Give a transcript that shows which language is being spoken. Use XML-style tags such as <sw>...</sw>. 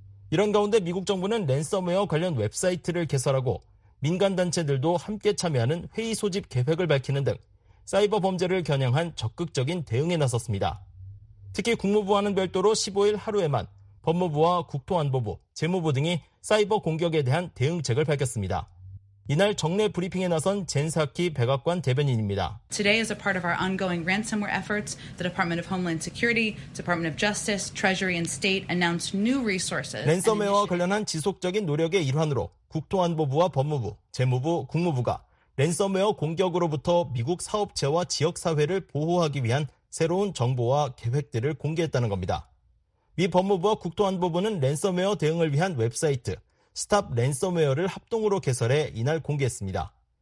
<ko>이런 가운데 미국 정부는 랜섬웨어 관련 웹사이트를 개설하고 민간단체들도 함께 참여하는 회의 소집 계획을 밝히는 등 사이버 범죄를 겨냥한 적극적인 대응에 나섰습니다. 특히 국무부와는 별도로 15일 하루에만 법무부와 국토안보부, 재무부 등이 사이버 공격에 대한 대응책을 밝혔습니다. 이날 정례 브리핑에 나선 젠 사키 백악관 대변인입니다.</ko> <en>Today is a part of our ongoing ransomware efforts. The Department of Homeland Security, Department of Justice, Treasury and State announced new resources.</en> <ko>랜섬웨어와 관련한 지속적인 노력의 일환으로 국토안보부와 법무부, 재무부, 국무부가 랜섬웨어 공격으로부터 미국 사업체와 지역 사회를 보호하기 위한 새로운 정보와 계획들을 공개했다는 겁니다. 미 법무부와 국토안보부는 랜섬웨어 대응을 위한 웹사이트 스탑 랜섬웨어를 합동으로 개설해 이날 공개했습니다.</ko>